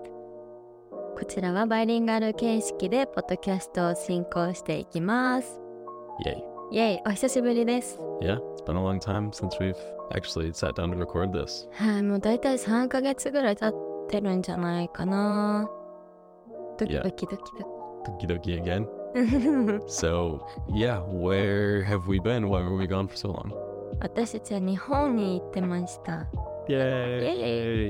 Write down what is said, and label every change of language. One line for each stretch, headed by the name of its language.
Japanese: こちらはバイリンガル形式でポッドキャストを進行していきます。イェイ。イェイ、お久しぶりです。
English: Yeah, it's been a long time since we've actually sat down to record this.
Japanese: はい、もうだいたい3ヶ月ぐらい経ってるんじゃないかな。ドキドキドキドキ。
English: ドキドキ again? So, yeah, where have we been? Why were we gone for so long?
Japanese: 私たちは日本に行ってました。イエーイ。